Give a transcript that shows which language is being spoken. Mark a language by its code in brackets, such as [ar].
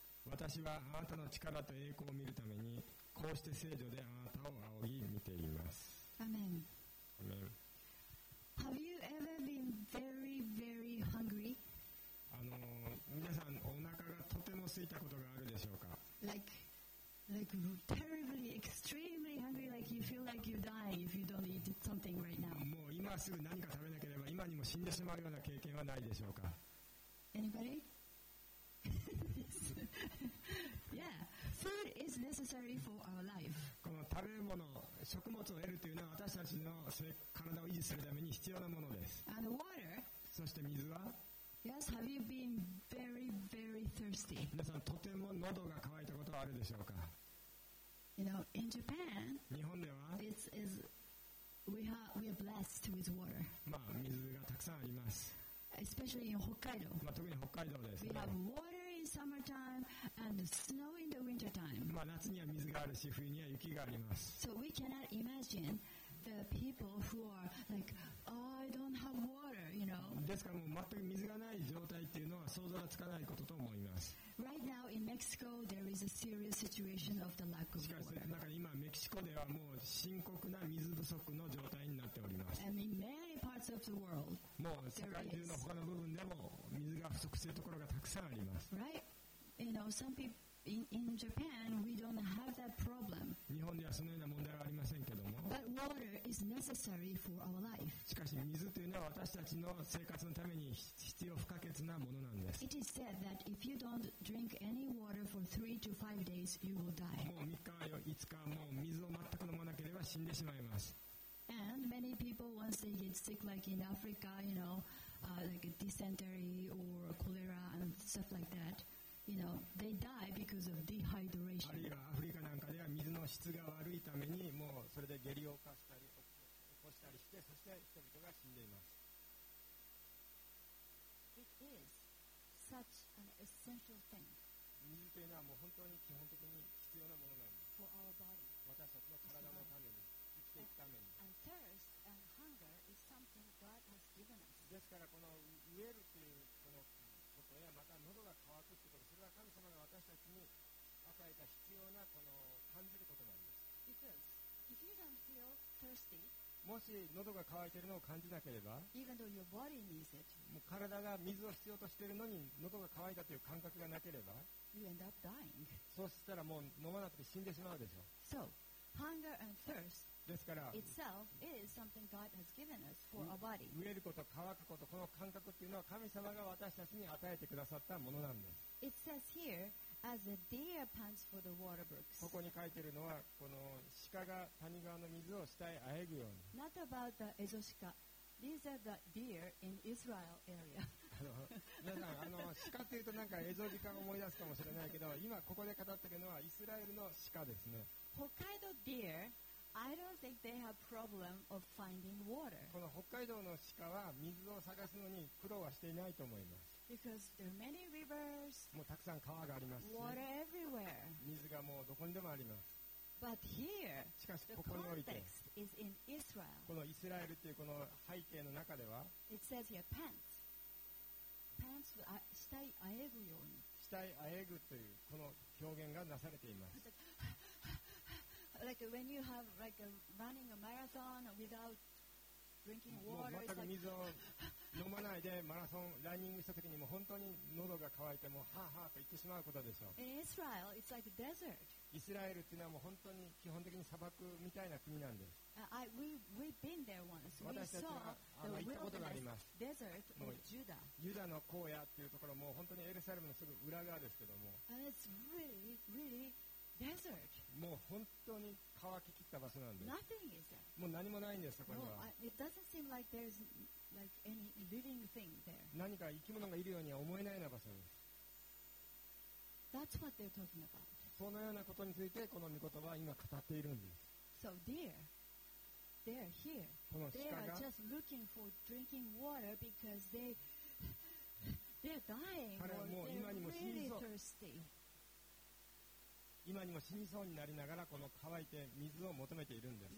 [ja] 私はあなたの力と栄光を見るために、こうして聖女であなたを仰ぎ見ています。アメン。アメン。 [en] Have you ever been very, very hungry? [ja] 皆さん、お腹がとても空いたことがあるでしょうか。 [en] Like terribly, extremely hungry, like you feel like you're dying if you don't eat something right now. [ja] もう今すぐ何か食べなければ今にも死んでしまうような経験はないでしょうか。 [en] Anybody? Yeah, food is necessary for our life. [ja] この食べ物、食物を得るというのは私たちの体を維持するために必要なものです。 [en] And water? [ja] そして水は？ [en] Yes, have you been very, very thirsty? [ja] 皆さん、とても喉が渇いたことはあるでしょうか。 [en] You know, in Japan, [ja] 日本では [en] we are blessed with water. [ja] まあ、水がたくさんあります。 [en] Especially in Hokkaido. [ja] まあ、特に北海道です。 [en] We have water in summertime and snow in the wintertime. [ja] まあ、夏には水があるし、冬には雪があります。 [en] So we cannot imagine the people who are like, oh, I don't have water, you know. [ja] ですからもう全く水がない状態っていうのは想像がつかないことと思います。 [en] Right now in Mexico, there is a serious situation of the lack of water. [ja] しかし、なんか今メキシコではもう深刻な水不足の状態になっております。 [en] And in many parts of the world, [ja] もう世界中の他の部分でも水が不足しているところがたくさんあります。 [en] Right? You know, some people... In Japan, we don't have that problem. [ja] 日本ではそのような問題はありませんけども。 [en] But water is necessary for our life. [ja] しかし水というのは私たちの生活のために必要不可欠なものなんです。 [en] It is said that if you don't drink any water for 3 to 5 days, you will die. [ja] もう3日4日もう水を全く飲まなければ死んでしまいます。 [en] And many people once they get sick, like in Africa, you know, like a dysentery or cholera and stuff like that. You know, they die because of dehydration. [ja] あるいはアフリカなんかでは水の質が悪いためにもうそれで下痢を起こしたり起こしたりしてそして人々が死んでいます。 [en] It is such an essential thing. [ja] 水というのはもう本当に基本的に必要なものなんです。 [en] For our body. [ja] 私たちの体のために生きていくために。 [en] And thirst and hunger is something God has given us. [ja] ですからこの飢えるというこのいやまた喉が渇くということそれは神様が私たちに与えた必要なこの感じることなんです [en] Because if you don't feel thirsty, [ja] もし喉が渇いているのを感じなければ [en] even though your body needs it, [ja] もう体が水を必要としているのに喉が渇いたという感覚がなければ [en] you end up dying. [ja] そうしたらもう飲まなくて死んでしまうでしょう [en] so, hunger and thirst [ja] ですから [en] itself is something God has given us for our body. [ja] 飢えること、渇くこと、この感覚っていうのは神様が私たちに与えてくださったものなんです。 [en] It says here, as a deer pants for the water brooks. [ja] ここに書いてるのは、この鹿が谷川の水を下へあえぐように。 [en] Not about the エゾシカ。These are the deer in Israel area. [ja] 皆さん、あの鹿っていうとなんかエゾシカを思い出すかもしれないけど、今ここで語ってるのはイスラエルの鹿ですね。 [en] Hokkaido deer, I don't think they have problem of finding water. [ja] この北海道の鹿は水を探すのに苦労はしていないと思います。 [en] Because there are many rivers, [ja] もうたくさん川がありますし、 [en] water everywhere. [ja] 水がもうどこにでもあります。 [en] But here, [ja] しかしここにおいて、 [en] is in Israel. [ja] このイスラエルというこの背景の中では、 [en] It says here, pants. Pants [ja] は下へあえぐように。下へあえぐというこの表現がなされています。 [en] Like when you have like running a marathon without drinking water, [ja] 全く水を飲まないでマラソン、ランニングしたときにも本当に喉が渇いてもうハーハーと言ってしまうことでしょう。 [en] In Israel, it's like a desert. [ja] イスラエルっていうのはもう本当に基本的に砂漠みたいな国なんです。 [en] We've been there once. We saw the wilderness desert of Judah. [ja] ユダの荒野っていうところも本当にエルサレムのすぐ裏側ですけども。 [en] And it's really, really. Desert. [ja] もう本当に乾ききった場所なんです。 [en] Nothing is there. [ja] もう何もないんです、そこには。 [en] No, it doesn't seem like there's like any living thing there. [ja] 何か生き物がいるようには思えないような場所です。 [en] That's what they're talking about. [ja] そのようなことについてこの御言葉は今語っているんです。 [en] So deer, they're here. [ja] この鹿が。 [en] They are just looking for drinking water because they're dying. [ja] 彼はもう今にも死にそう。 [en] Really [ja] 今にも死にそうになりながらこの乾いて水を求めているんです。